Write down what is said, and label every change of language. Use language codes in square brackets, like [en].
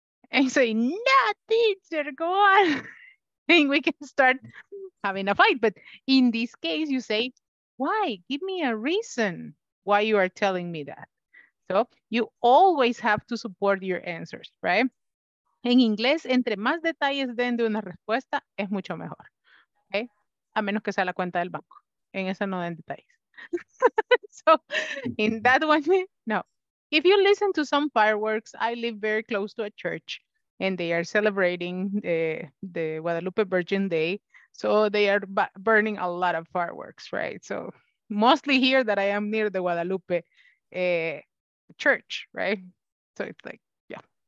[en] And you say, no, teacher, go on. And we can start having a fight. But in this case, you say, why? Give me a reason why you are telling me that. So you always have to support your answers, right? [es] En inglés, entre más detalles den de una respuesta, es mucho mejor. ¿Okay? A menos que sea la cuenta del banco. En esa no den detalles. [en] So, in that one, no. If you listen to some fireworks, I live very close to a church and they are celebrating the Guadalupe Virgin Day. So they are burning a lot of fireworks, right? So mostly here that I am near the Guadalupe church, right? So it's like, yeah.